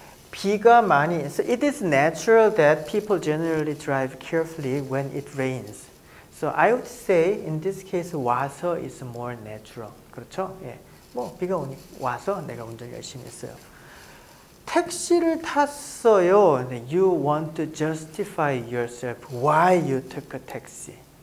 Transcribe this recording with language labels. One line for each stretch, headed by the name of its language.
Korean: 비가 많이,
English: so it is natural that people generally drive carefully when it rains. So I would say in this case 와서 is more natural.
Korean: 그렇죠? 예. 뭐 비가 오니 와서 내가 운전 열심히 했어요. 택시를 탔어요.
English: You want to justify yourself why you took a taxi.